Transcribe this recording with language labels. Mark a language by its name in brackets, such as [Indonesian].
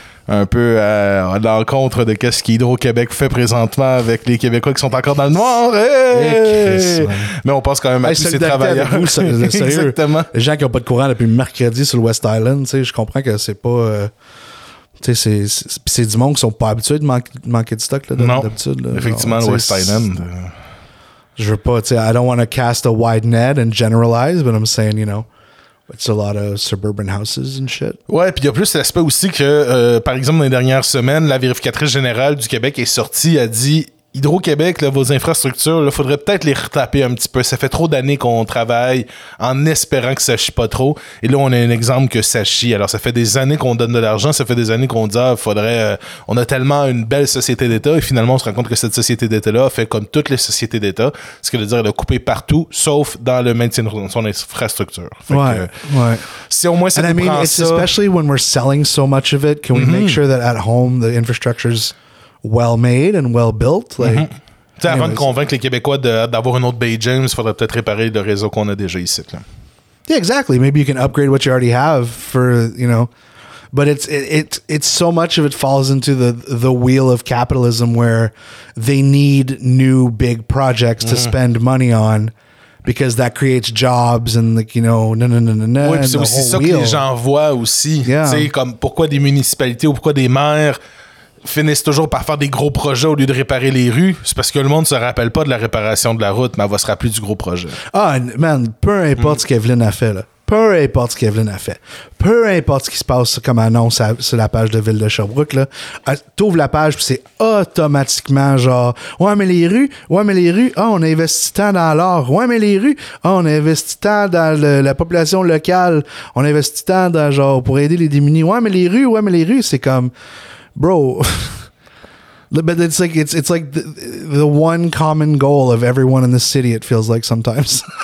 [French] Un peu à l'encontre de ce qu'Hydro-Québec fait présentement avec les Québécois qui sont encore dans le noir. Hey! Mais on pense quand même à tous ces travailleurs. Vous, sérieux. Exactement. Les gens qui n'ont pas de courant depuis mercredi sur le West Island, tu sais, je comprends que c'est pas... c'est du monde qui sont pas habitués de manquer de stock là, d'habitude. Là. Effectivement, genre, le West Island. Je veux pas, tu sais, [English] I don't want to cast a wide net and generalize, but I'm saying, you know, it's a lot of suburban houses and shit. [French] Ouais, puis il y a plus l'aspect aussi que, par exemple, dans les dernières semaines, la vérificatrice générale du Québec est sortie, a dit « Hydro-Québec, là, vos infrastructures, il faudrait peut-être les retaper un petit peu. Ça fait trop d'années qu'on travaille en espérant que ça chie pas trop. » Et là, on a un exemple que ça chie. Alors, ça fait des années qu'on donne de l'argent, ça fait des années qu'on dit « Ah, faudrait... on a tellement une belle société d'État. » Et finalement, on se rend compte que cette société d'État-là a fait comme toutes les sociétés d'État. Ce qui veut dire qu'elle a coupé partout, sauf dans le maintien de son infrastructure. Ouais. Si au moins, ça nous prend ça... [English] Especially when we're selling so much of it, can we make sure that at home, the infrastructure's well made and well built. Like, [French] t'sais, avant de convaincre les Québécois d'avoir une autre Bay James, il faudrait peut-être réparer le réseau qu'on a déjà ici. Là. [English] Yeah, exactly. Maybe you can upgrade what you already have for, you know. But it's so much of it falls into the wheel of capitalism where they need new big projects to spend money on. Because that creates jobs and like, you know, [French] Oui, puis c'est aussi ça [English] wheel. [French] Que les gens voient aussi. [English] Yeah. [French] T'sais, comme pourquoi des municipalités ou pourquoi des maires finissent toujours par faire des gros projets au lieu de réparer les rues, c'est parce que le monde ne se rappelle pas de la réparation de la route, mais elle va se rappeler du gros projet. Ah, man, peu importe ce qu'Evelyne a fait, là. Peu importe ce qu'Evelyne a fait. Peu importe ce qui se passe comme annonce sur la page de Ville de Sherbrooke, là. T'ouvres la page, puis c'est automatiquement genre, ouais, mais les rues, ah, oh, on investit tant dans l'or. Ouais, mais les rues, ah, oh, on investit tant dans la population locale. On investit tant dans, genre, pour aider les démunis. Ouais, mais les rues, c'est comme... [English] Bro, but it's like the one common goal of everyone in the city, it feels like sometimes.